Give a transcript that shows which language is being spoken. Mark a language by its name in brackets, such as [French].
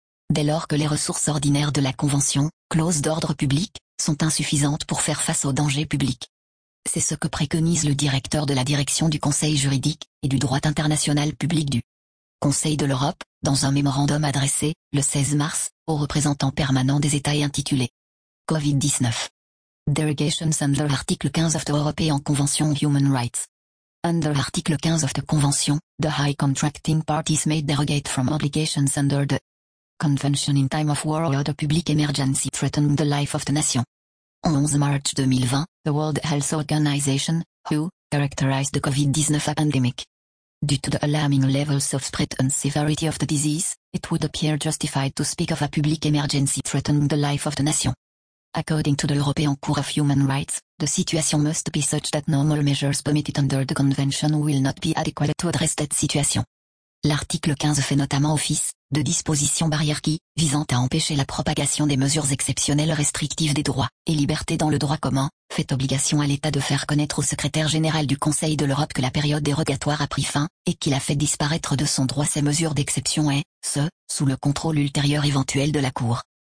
[French] Dès lors que les ressources ordinaires de la Convention, clause d'ordre public, sont insuffisantes pour faire face aux dangers publics. C'est ce que préconise le directeur de la direction du Conseil juridique et du droit international public du Conseil de l'Europe, dans un mémorandum adressé, le 16 mars, aux représentants permanents des États et intitulé Covid-19. [English] Derogations under Article 15 of the European Convention on Human Rights. Under Article 15 of the Convention, the high contracting parties may derogate from obligations under the Convention in time of war or other public emergency threatening the life of the nation. On 11 mars 2020, the World Health Organization, WHO, characterized the COVID-19 pandemic. Due to the alarming levels of spread and severity of the disease, it would appear justified to speak of a public emergency threatening the life of the nation. According to the European Court of Human Rights, the situation must be such that normal measures permitted under the convention will not be adequate to address that situation. [French] L'article 15 fait notamment office de disposition barrière qui, visant à empêcher la propagation des mesures exceptionnelles restrictives des droits et libertés dans le droit commun, fait obligation à l'État de faire connaître au secrétaire général du Conseil de l'Europe que la période dérogatoire a pris fin, et qu'il a fait disparaître de son droit ces mesures d'exception et, ce, sous le contrôle ultérieur éventuel de la Cour.